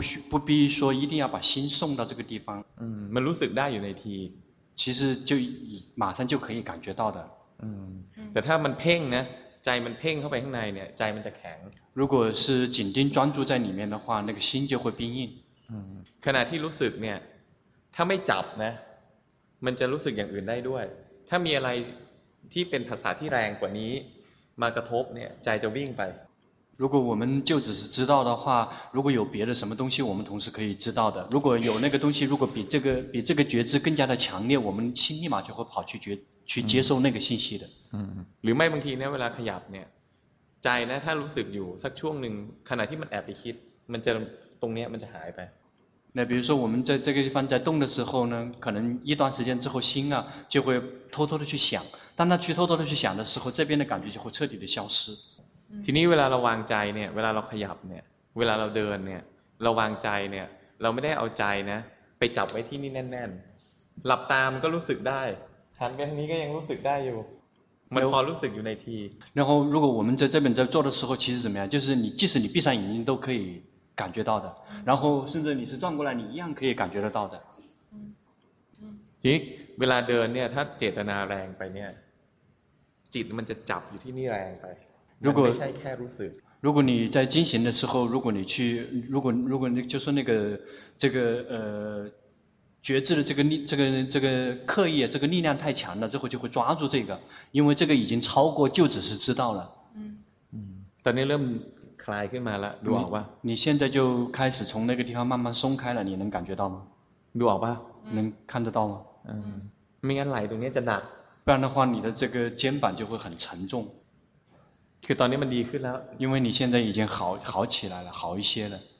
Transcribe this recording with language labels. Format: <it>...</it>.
<zh>不必说一定要把心送到这个地方</zh> <th>มันรู้สึกได้อยู่ในที</th> <zh>其实就马上就可以感觉到的</zh> <th>แต่ถ้ามันเพ่งนะใจมันเพ่งเข้าไปข้างในเนี่ยใจมันจะแข็ง</th> <zh>如果是紧盯专注在里面的话那个心就会冰硬</zh> <th>ขณะที่รู้สึกเนี่ยถ้าไม่จับนะมันจะรู้สึกอย่างอื่นได้ด้วยถ้ามีอะไรที่เป็นภาษาที่แรงกว่านี้มากระทบเนี่ยใจจะวิ่งไป</th> <zh>如果我们就只是知道的话如果有别的什么东西我们同时可以知道的如果有那个东西如果比这个觉知更加的强烈我们心立马就会跑去接受那个信息的</zh> <th>หรือไม่บางทีเนี่ยเวลาขยับเนี่ยใจนะถ้ารู้สึกอยู่สักช่วงหนึ่งขณะที่มันแอบไปคิดมันจะตรงเนี้ยมันจะหายไป ใน</th> <zh>比如说我们在这个地方在动的时候呢可能一段时间之后心啊就会偷偷的去想当他去偷偷的去想的时候这边的感觉就会彻底的消失</zh> <th>ทีนี้เวลาเราวางใจเนี่ยเวลาเราขยับเนี่ยเวลาเราเดินเนี่ยเราวางใจเนี่ยเราไม่ได้เอาใจนะ ไปจับไว้ที่นี่แน่นๆหลับตามันก็รู้สึกได้ฉันแบบนี้ก็ยังรู้สึกได้อยู่มันพอรู้สึกอยู่ในที</th> <zh>然后如果我们在这边在做的时候其实怎么样就是你即使你闭上眼睛都可以感觉到的然后甚至你是转过来你一样可以感觉得到的</zh> <th>ทีเวลาเดินเนี่ยถ้าเจตนาแรงไปเนี่ยจิตมันจะจับอยู่ที่นี่แรงไป มัน ไม่ใช่แค่รู้สึก</th> <zh>如果你在进行的时候，如果你去，如果你就是那个这个觉知的这个力，这个刻意这个力量太强了，之后就会抓住这个，因为这个已经超过就只是知道了。</zh> <th>嗯嗯。ตอนนี้เริ่มคลายขึ้นมาแล้วดูออกป่ะ</th> <zh>你现在就开始从那个地方慢慢松开了，你能感觉到吗？</zh> <th>ดูออกป่ะ</th> <zh>能看得到吗？</zh> <th>嗯。ไม่งั้นไหล่ตรงนี้จะหนัก</th> <zh>不然的话，你的这个肩膀就会很沉重。</zh> <th>คือตอนนี้มันดีขึ้นแล้ว</th> <zh>因为你现在已经好起来了好一些了</zh>